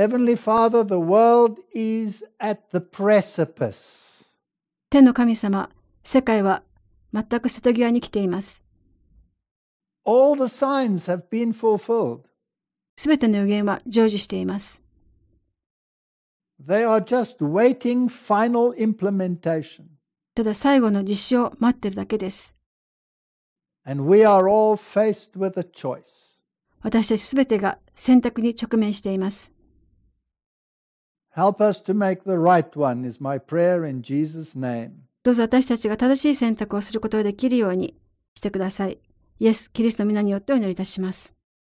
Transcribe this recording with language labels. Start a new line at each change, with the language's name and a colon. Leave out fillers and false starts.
English: Heavenly Father, the world is at the precipice.
Japanese: 天の神様、世界は全く瀬戸際に来ています。
English: All the signs have been fulfilled.
Japanese: すべての予言は成就しています。
English: They are just waiting final implementation.
Japanese: ただ最後の実施を待っているだけです。
English: And we are all faced with a choice.
Japanese: 私たちすべてが選択に直面しています。
English: Help us to make the right one is my prayer in Jesus' name.
Japanese: どうぞ私たちが正しい選択をすることができるようにしてください。イエス・キリストの皆によってお祈りいたします。